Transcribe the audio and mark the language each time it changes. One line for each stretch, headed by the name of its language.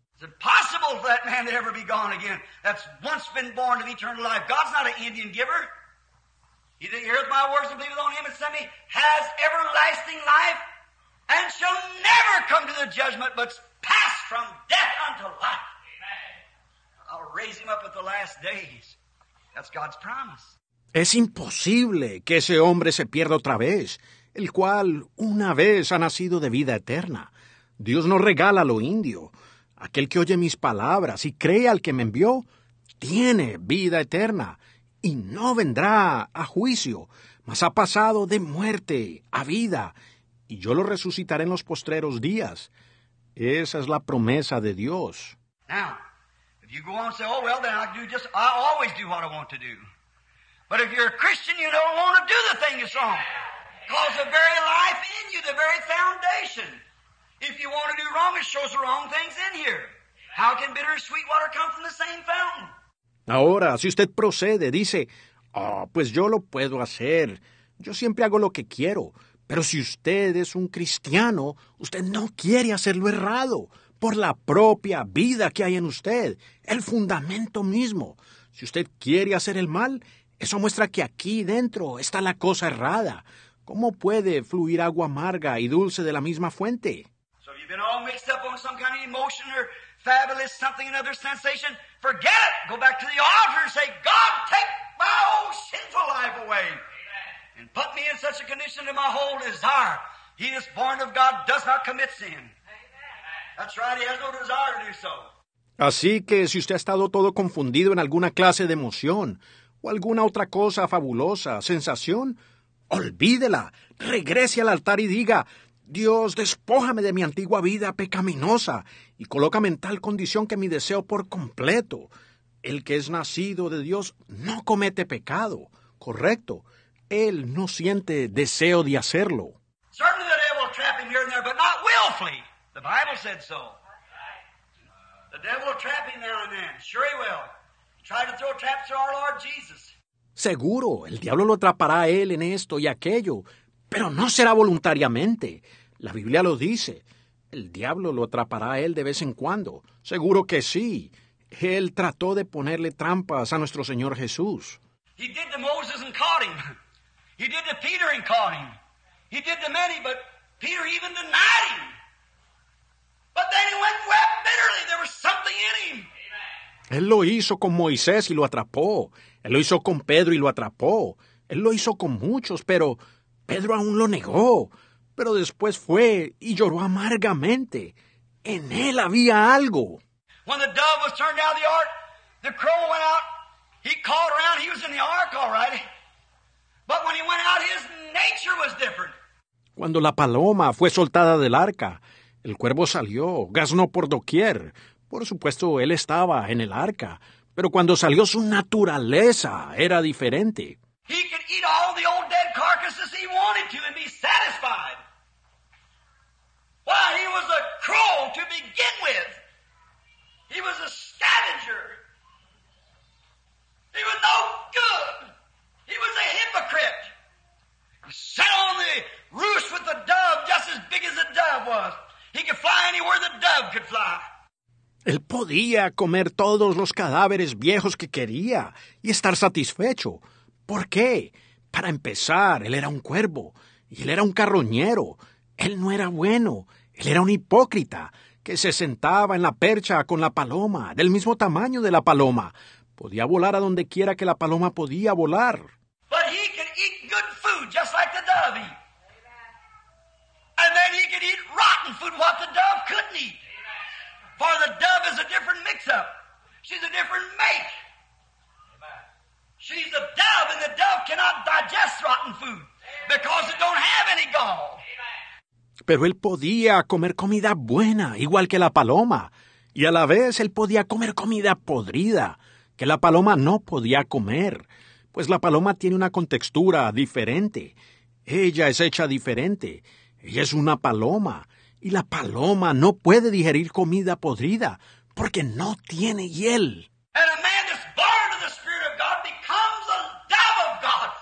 English: It's impossible for that man to ever be gone again. That's once been born of eternal life. God's not an Indian giver. He that heareth my words and believeth on Him and sent me has everlasting life and shall never come to the judgment, but pass from death unto life. Amen. I'll raise him up at the last days. That's God's promise.
Spanish: Es imposible que ese hombre se pierda otra vez, el cual una vez ha nacido de vida eterna. Dios no regala lo indio. Aquel que oye mis palabras y cree al que me envió, tiene vida eterna. Y no vendrá a juicio, mas ha pasado de muerte a vida, y yo lo resucitaré en los postreros días. Esa es la promesa de Dios.
English: Now, if you go on and say, oh, well, then I always do what I want to do. But if you're a Christian, you don't want to do the thing that's wrong. Because the very life in you, the very foundation. If you want to do wrong, it shows the wrong things in here. How can bitter and sweet water come from the same fountain?
Spanish: Ahora, si usted procede, dice, ah, pues yo lo puedo hacer. Yo siempre hago lo que quiero. Pero si usted es un cristiano, usted no quiere hacerlo errado por la propia vida que hay en usted, el fundamento mismo. Si usted quiere hacer el mal, eso muestra que aquí dentro está la cosa errada. ¿Cómo puede fluir agua amarga y dulce de la misma fuente?
English: So you've been all mixed up on some kind of emotion or fabulous something, another sensation. Forget it. Go back to the altar and say, God, take my old sinful life away. And put me in such a condition that my whole desire, he is born of God, does not commit sin. Amen. That's right, he has no desire to do so.
Spanish: Así que si usted ha estado todo confundido en alguna clase de emoción, o alguna otra cosa fabulosa, sensación, olvídela, regrese al altar y diga, Dios, despójame de mi antigua vida pecaminosa y colócame en tal condición que mi deseo por completo. El que es nacido de Dios no comete pecado, ¿correcto? Él no siente deseo de hacerlo.
English: Certainly the devil will trap him here and there, but not willfully. The Bible said so. The devil will trap him now and then. Sure he will. Try to throw traps to our Lord Jesus.
Spanish: Seguro, el diablo lo atrapará a él en esto y aquello, pero no será voluntariamente. La Biblia lo dice. El diablo lo atrapará a él de vez en cuando. Seguro que sí. Él trató de ponerle trampas a nuestro Señor Jesús.
English: He did to Moses and caught him. He did to Peter and caught him. He did to many, but Peter even denied him. But then he went and wept bitterly. There was something in him.
Spanish: Él lo hizo con Moisés y lo atrapó. Él lo hizo con Pedro y lo atrapó. Él lo hizo con muchos, pero Pedro aún lo negó. Pero después fue y lloró amargamente. En él había algo.
English: When the dove was turned out of the ark, the crow went out. He called around. He was in the ark, all right. But when he went out, his nature was different.
Spanish: Cuando la paloma fue soltada del arca, el cuervo salió, gaznó por doquier. Por supuesto, él estaba en el arca, pero cuando salió, su naturaleza era diferente.
English: He could eat all the old dead carcasses he wanted to and be satisfied. Why, he was a crow to begin with. He was a scavenger. He was no good. He was a hypocrite. He sat on the roost with the dove just as big as the dove was. He could fly anywhere the dove could fly.
Spanish: Él podía comer todos los cadáveres viejos que quería y estar satisfecho. ¿Por qué? Para empezar, él era un cuervo y él era un carroñero. Él no era bueno. Él era un hipócrita que se sentaba en la percha con la paloma, del mismo tamaño de la paloma. Podía volar a donde quiera que la paloma podía volar.
English: But he could eat good food just like the dove. And then he could eat rotten food what the dove couldn't eat. For the dove is a different mix-up. She's a different make. She's a dove, and the dove cannot digest rotten food because it don't have any gall.
Spanish: Pero él podía comer comida buena, igual que la paloma. Y a la vez, él podía comer comida podrida, que la paloma no podía comer. Pues la paloma tiene una contextura diferente. Ella es hecha diferente. Ella es una paloma. Y la paloma no puede digerir comida podrida porque no tiene hiel.
English: And a man that's born of the Spirit of God becomes a dove of God.